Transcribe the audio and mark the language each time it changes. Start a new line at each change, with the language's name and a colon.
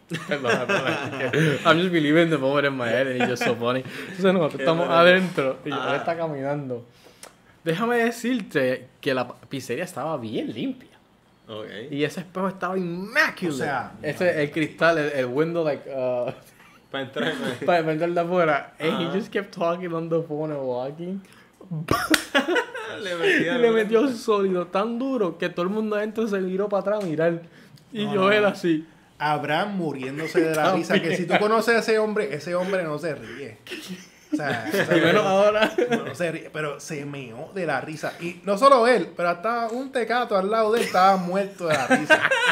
English: I'm just believing the moment in my head. And it's just so funny.
Spanish: Entonces nosotros estamos adentro. Y yo está caminando. Déjame decirte que la pizzería estaba bien limpia.
English: Okay.
Spanish: Y ese espejo estaba inmaculado. O sea, ese, no, el cristal, el window, like. Para entrar. Para entrar de afuera. Uh-huh.
English: And he just kept talking on the phone and walking.
Spanish: Le metió sólido, tan duro que todo el mundo adentro se miró para atrás a mirar. Y no, yo no. Era así. Abraham muriéndose de la risa. Que si tú conoces a ese hombre no se ríe. O sea, primero ahora. No, no se ríe, pero se meó de la risa. Y no solo él, pero hasta un tecato al lado de él estaba muerto de la risa.